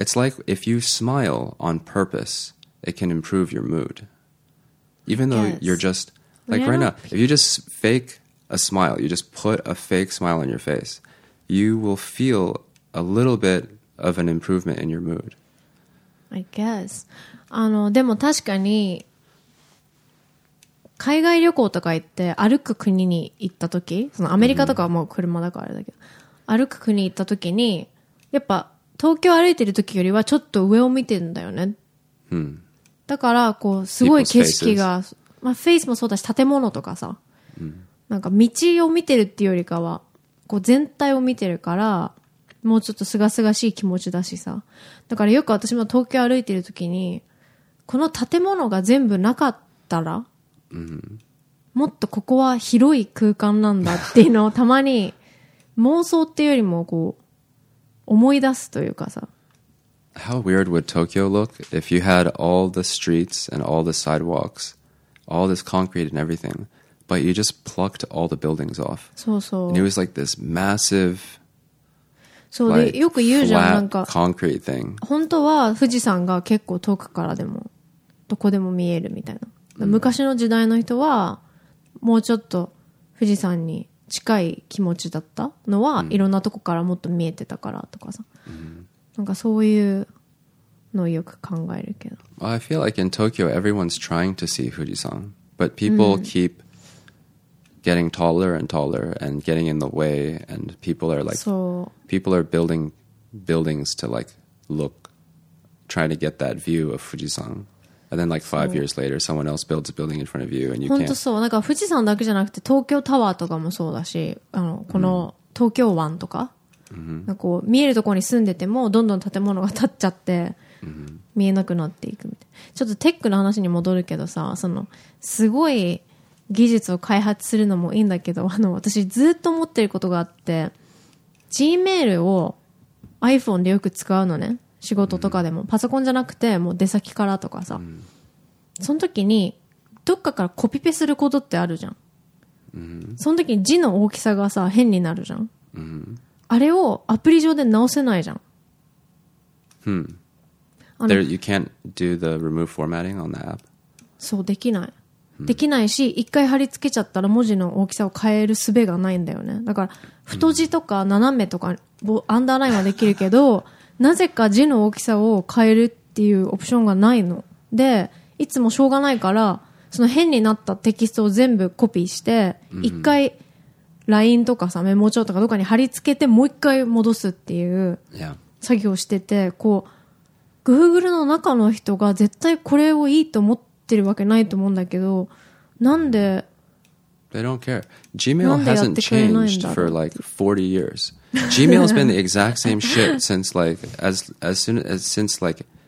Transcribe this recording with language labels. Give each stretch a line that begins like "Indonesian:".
English: It's like if you smile on purpose, it can improve your mood. Even though you're just, like right now, if you just fake a smile, you just put a fake smile on your face, you will feel a little bit of an improvement in your mood. I guess.
Japanese: でも確かに、海外旅行とか行って歩く国に行った時、そのアメリカとかはもう車だからだけど、mm-hmm. 歩く国行った時に、やっぱ東京歩いてる時よりはちょっと上を見てんだよね。 Mm-hmm. だから、こう、すごい景色が、まあ、フェイスもそうだし、建物とかさ、 mm-hmm. なんか道を見てるっていうよりかは、こう全体を見てるから、もうちょっと清々しい気持ちだしさ。だからよく私も東京歩いてる時に、この建物が全部なかったら、 mm-hmm. もっとここは広い空間なんだっていうのをたまに妄想っていうよりもこう思い出すというかさ。
English: How weird would Tokyo look if you had all the streets and all the sidewalks, all this concrete and everything, but you just plucked all the buildings off.
Japanese: そうそう。
English: And it was like this massive,
Japanese: そうで、
English: like,
Japanese: よく言うじゃん、なんか、
English: concrete thing.
Japanese: 本当は富士山が結構遠くからでも、どこでも見えるみたいな。昔の時代の人はもうちょっと富士山に近い気持ちだったのは、mm. いろんなとこからもっと見えてたからとかさ、 mm. なんかそういうのをよく考えるけど、
English: well, I feel like in Tokyo everyone's trying to see Fujisan, but people、mm. keep getting taller and taller and getting in the way, and people are like、 so. people are building buildings to like look, trying to get that view of Fujisan. And then like five years later, someone else builds a building in front of you and you can't.
Japanese: 本当そう。なんか富士山だけじゃなくて東京タワーとかもそうだし、この東京湾とか、 mm-hmm. なんかこう見えるところに住んでてもどんどん建物が建っちゃって見えなくなっていくみたい。ちょっとテックの話に戻るけどさ、そのすごい技術を開発するのもいいんだけど、私ずっと思ってることがあって、Gmail を iPhone でよく使うのね。仕事とかでも、うん、パソコンじゃなくてもう出先からとかさ、うん、その時にどっかからコピペすることってあるじゃん、うん、その時に字の大きさがさ変になるじゃん、うん、あれをアプリ上で直せないじゃん、
English: うん、There, you can't do the remove formatting on the app?
Japanese: そうできない、うん、できないし一回貼り付けちゃったら文字の大きさを変える術がないんだよね。だから太字とか斜めとか、うん、アンダーラインはできるけどなぜか字の大きさを変えるっていうオプションがないので、いつもしょうがないからその変になったテキストを全部コピーして一回 LINE とかさメモ帳とかどっかに貼り付けてもう一回戻すっていう作業をしてて、こう Google の中の人が絶対これをいいと思ってるわけないと思うんだけど、なんで
English: They don't care. Gmail hasn't changed for like 40 years. Gmail's been the exact same shit since like as soon as since like.